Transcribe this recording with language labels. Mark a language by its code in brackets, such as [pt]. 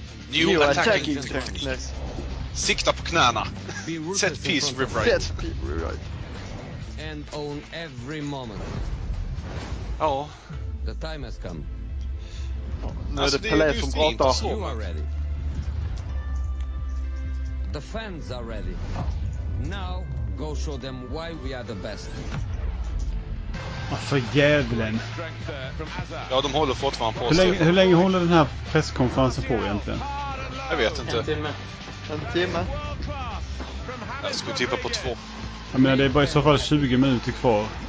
[en] New attacking technique. [sv] Sikta på knäna. [en] Set piece rewrite. And own every moment. Oh. The time has come. [sv] Nu är det Pelé som pratar. [en] You are ready. The fans are ready. Now go show them why we are the best. [sv] Åh, för jävlen. Ja, de håller fortfarande på. Hur länge håller den här presskonferensen på egentligen? Jag vet inte. En timme. Jag skulle tippa på 2. Jag menar, det är bara i så fall 20 minuter kvar.